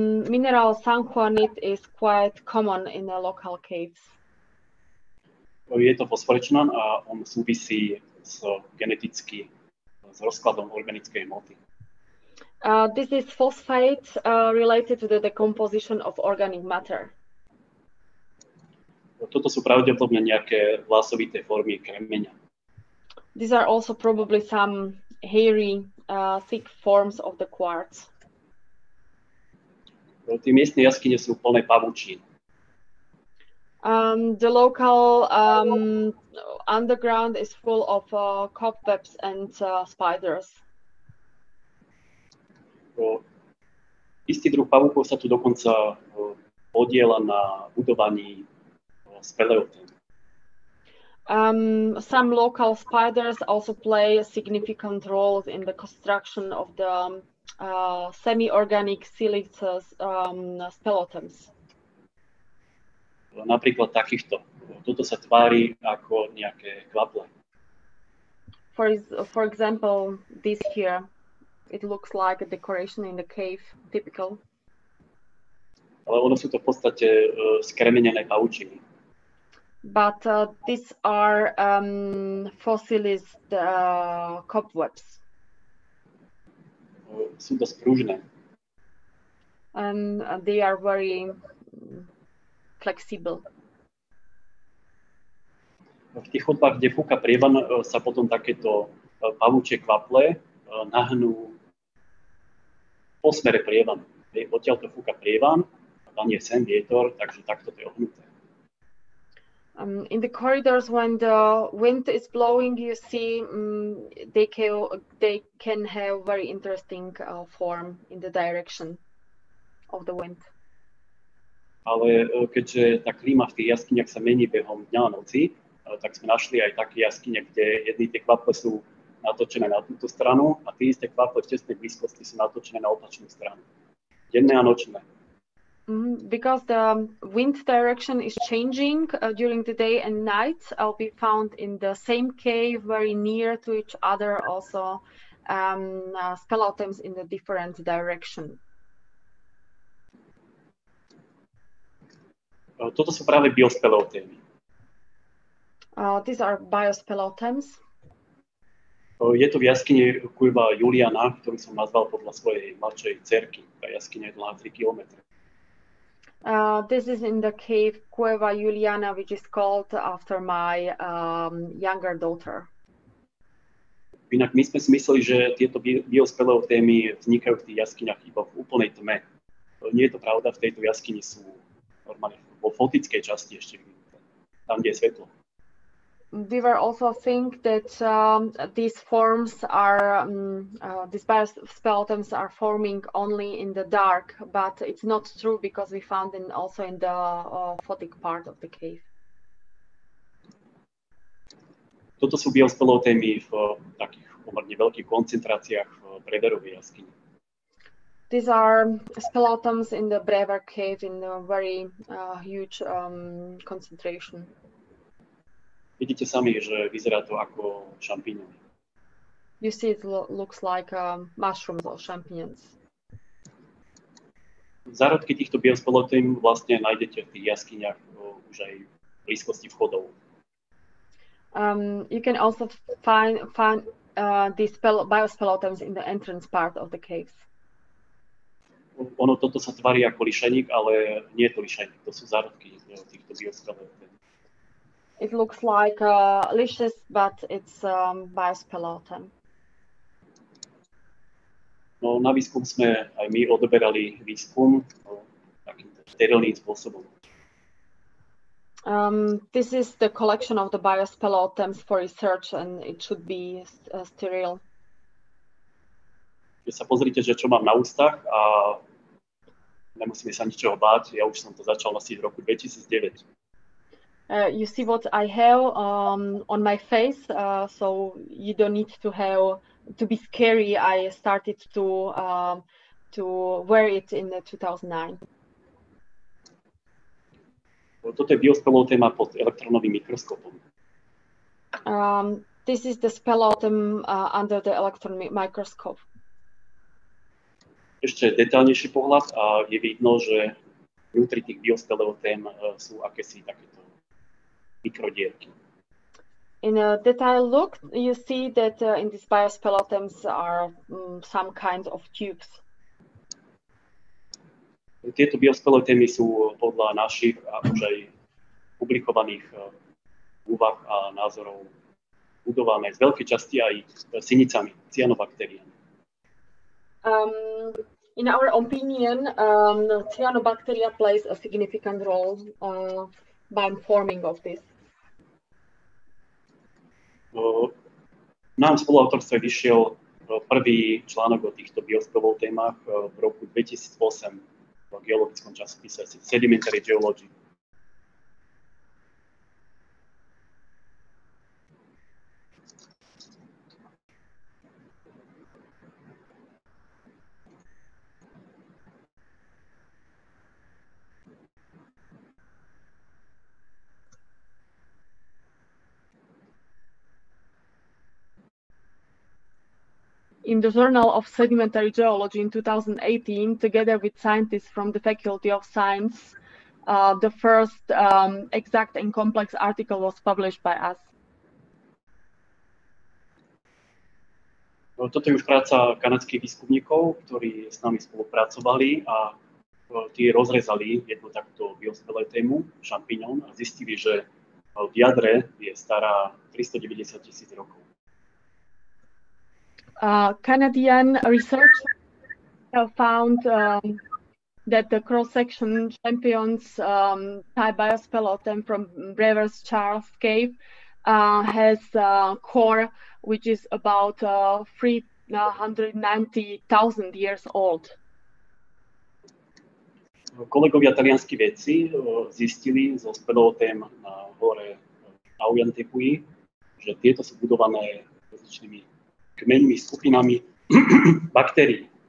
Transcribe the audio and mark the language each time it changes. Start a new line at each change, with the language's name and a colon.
English: Mineral sanjuanit is quite common in the local caves.
Slovak: Je to fosforečnan a on súvisí s geneticky s rozkladom organickej hmoty.
English: This is phosphate related to the decomposition of organic matter.
Slovak: Toto sú pravdepodobne nejaké vlasovité formy kremenia.
English: These are also probably some hairy, thick forms of the quartz.
Slovak: Tie miestne jaskyne sú plné pavučín.
English: The local underground is full of cobwebs and spiders.
Slovak: Istý druh pavúkov sa tu dokonca podieľa na budovaní speleothems.
English: Some local spiders also play a significant role in the construction of the semi-organic silex speleothems.
Slovak: Napríklad takýchto. Toto sa tvári ako nejaké kvaple.
English: For example, this here. It looks like a decoration in the cave, typical.
Slovak: Ale ono sú to v podstate skremenené pavučiny.
English: But these are fossilized cobwebs.
Slovak: Sú to sprúžne.
English: And they are very flexible.
Slovak: V tých chodbách, kde fúka prievan, sa potom takéto pavúčie kvaple nahnú po smere prievan. Odtiaľ to fúka prievan, tam je sen vietor, takže takto to je ohnuté.
English: In the corridors, when the wind is blowing, you see they can have very interesting form in the direction of the wind.
Slovak: Ale keďže tá klíma v tých jaskyniach sa mení behom dňa a noci, tak sme našli aj také jaskyne, kde jedny tie kvaple sú natočené na túto stranu a tie isté kvaple v tesnej blízkosti sú natočené na opačnú stranu. Denné a nočné.
English: Because the wind direction is changing during the day and night, I'll be found in the same cave, very near to each other, also speleothems in the different direction.
Slovak: Toto sú práve biospeleothemy.
English: These are biospeleothems.
Slovak: Je to v jaskyni Cueva Juliana, ktorú som nazval podľa svojej mladšej dcerky. Tá jaskyňa je dlhá 3 kilometre.
English: This is in the cave Cueva Juliana, which is called after my younger daughter.
Slovak: Inak my sme si mysleli, že tieto biospeleothemy vznikajú v tých jaskyniach iba v úplnej tme. Nie je to pravda, v tejto jaskyni sú normálne vo fotickej časti ešte vyvinuté, tam, kde je svetlo.
English: We were also think that these forms are these biospeleothems are forming only in the dark, but it's not true because we found them also in the photic part of the cave.
Slovak: Toto sú biospeleothemy v takých pomerne veľkých koncentráciách v prederovej jaskyni.
English: These are speleothems in the Brewer cave in a very huge concentration.
Slovak: Vidíte sami, že vyzerá to ako šampiňony.
English: You see it looks like mushrooms or champignons.
Slovak: Zárodky týchto biospeleothem vlastne nájdete v tých jaskyniach už aj v blízkosti vchodov.
English: You can also find these biospeleothems in the entrance part of the caves.
Slovak: Ono toto sa tvarí ako lišajník, ale nie je to lišajník, to sú zárodky týchto biospeleothem.
English: It looks like a lichen, but it's biospeleothem.
Slovak: No, na výskum sme aj my odoberali výskum takým sterilným spôsobom.
English: This is the collection of the biospeleothems for research and it should be sterile.
Slovak: Keď sa pozrite, že čo mám na ústach a nemusíme sa ničoho báť, ja už som to začal asi v roku 2009.
English: You see what I have on my face, so you don't need to have to be scary. I started to wear it in 2009.
Slovak: Toto je biospeleothema pod elektronovým mikroskopom.
English: This is the speleothem under the electron microscope.
Slovak: Ešte detailnejší pohľad a je vidno, že vnútri tých biospeleothem sú akési takéto mikrodierky.
English: In a detailed look, you see that in these biospeleothems are some kinds of tubes.
Slovak: Tieto biospeleothemy sú podľa našich a už aj publikovaných úvah a názorov budované z veľkej časti aj sinicami, cyanobakteriami.
English: In our opinion, cyanobacteria plays a significant role by forming of this.
Slovak: Nám spoluautorstve vyšiel prvý článok o týchto biospeleothemách v roku 2008 v geologickom časopise Sedimentary Geology.
English: In the Journal of Sedimentary Geology in 2018, together with scientists from the Faculty of Science, the first exact and complex article was published by us.
Slovak: Toto je už práca kanadských výskumníkov, ktorí s nami spolupracovali a tí rozrezali jednu takto biospeleothemu, šampiňón, a zistili, že v jadre je stará 390 tisíc rokov.
English: Canadian researchers found that the cross-section champions type biospeleothem from Brewer Charles cave has a core which is about 390,000 years old.
Slovak: Kolegovia talianskí vedci zistili zo speleothem na hore na Tepui, že tieto sú budované rozličnými kmeňmi, skupinami baktérií.